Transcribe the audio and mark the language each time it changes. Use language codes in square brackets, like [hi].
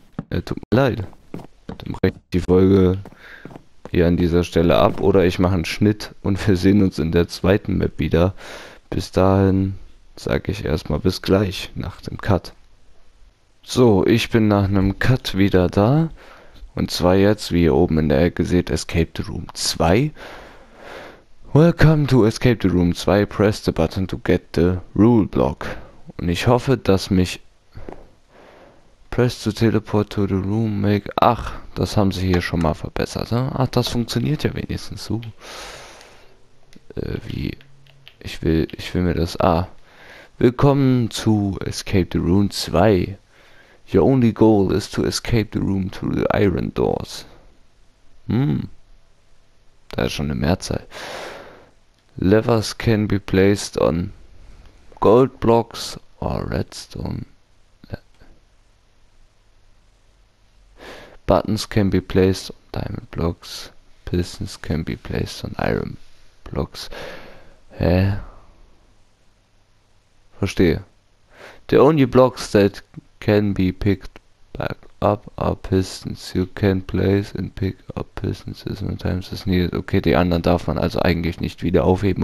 [de] Tut mir leid. Dann breche ich die Folge hier an dieser Stelle ab oder ich mache einen Schnitt und wir sehen uns in der zweiten Map wieder. Bis dahin. Sag ich erstmal bis gleich nach dem Cut. So, ich bin nach einem Cut wieder da. Und zwar jetzt, wie ihr oben in der Ecke seht, Escape the Room 2. [en] Welcome to Escape the Room 2. Press the button to get the rule block. [de] Und ich hoffe, dass mich. [en] Press to teleport to the room make. [de] Ach, das haben sie hier schon mal verbessert. Ne? Ach, das funktioniert ja wenigstens so. Wie. Ich will mir das. Ah. Willkommen zu Escape the Room 2. [en] Your only goal is to escape the room through the iron doors. [de] Da ist schon eine Mehrzahl. [en] Levers can be placed on gold blocks or redstone. Buttons can be placed on diamond blocks. Pistons can be placed on iron blocks. [de] Verstehe. [en] The only blocks that can be picked back up are pistons. You can place and pick up pistons as many times as needed. [de] Okay, die anderen darf man also eigentlich nicht wieder aufheben.